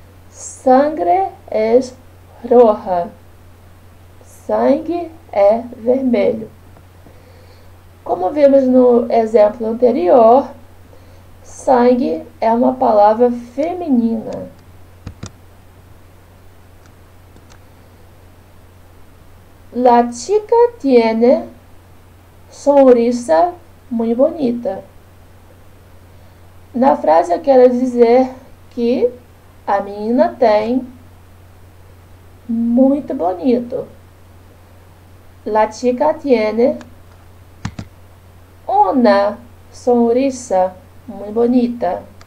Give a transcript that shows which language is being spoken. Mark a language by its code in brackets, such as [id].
[es] Sangre es roja. [pt] Sangue é vermelho. Como vimos no exemplo anterior, sangue é uma palavra feminina. [es] La chica tiene sonrisa muy bonita. [pt] Na frase eu quero dizer que a menina tem muito bonito. [es] La chica tiene una sonrisa muy bonita.